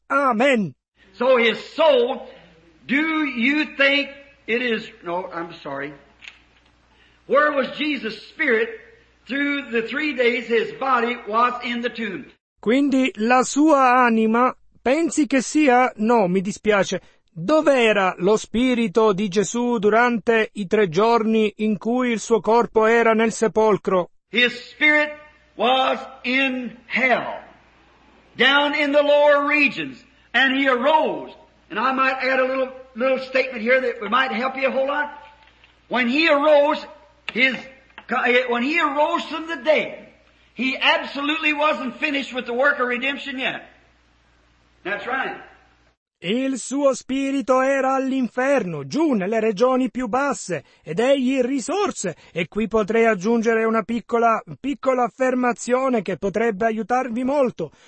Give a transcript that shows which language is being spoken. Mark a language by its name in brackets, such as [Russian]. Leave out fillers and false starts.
[English] Amen. So his soul, do you think it is... No, I'm sorry. Where was Jesus' spirit through the 3 days his body was in the tomb? [Italian] Quindi la sua anima, pensi che sia... No, mi dispiace. Dov'era lo spirito di Gesù durante i 3 giorni in cui il suo corpo era nel sepolcro? [English] His spirit... was in hell, down in the lower regions, and he arose. And I might add a little statement here that might help you a whole lot. When he arose, when he arose from the dead, he absolutely wasn't finished with the work of redemption yet. That's right. [Italian] Il suo spirito era all'inferno, giù nelle regioni più basse, ed egli risorse. E qui potrei aggiungere una piccola affermazione che potrebbe aiutarvi molto.